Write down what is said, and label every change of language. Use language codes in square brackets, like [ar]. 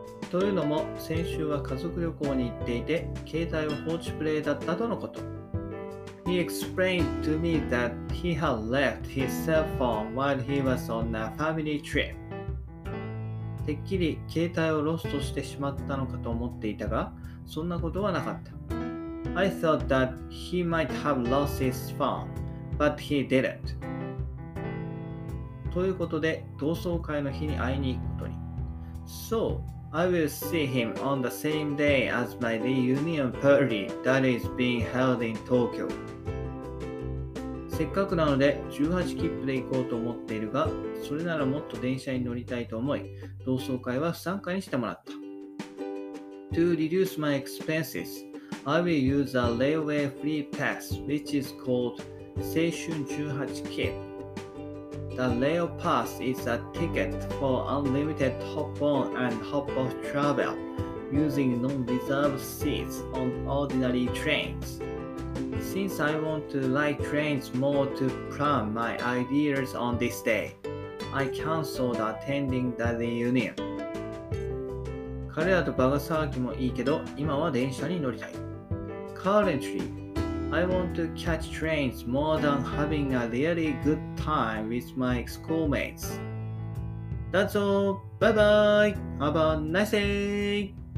[ja] というのも先週は家族旅行に行っていて携帯は放置プレイだったとのこと。 [en] He explained to me that he had left his cell phone while he was on a family trip. [ja] てっきり携帯をロストしてしまったのかと思っていたが、そんなことはなかった。 [en] I thought that he might have lost his phone, but he didn't. [ja] ということで、同窓会の日に会いに行くことに。 [en] So, I will see him on the same day as my reunion party that is being held in Tokyo. [ja] せっかくなので18切符で行こうと思っているが、それならもっと電車に乗りたいと思い、同窓会は不参加にしてもらった。 [en] To reduce my expenses, I will use a railway free pass which is called 青春18切符。 The rail pass is a ticket for unlimited hop-on and hop-off travel using non-reserved seats on ordinary trains. Since I want to ride trains more to plan my ideas on this day, I canceled attending the reunion. [ja] 彼らとバカ騒ぎもいいけど、今は電車に乗りたい。 [en] Currently, I want to catch trains more than having a really good time with my schoolmates. That's all. Bye bye. Have a nice day.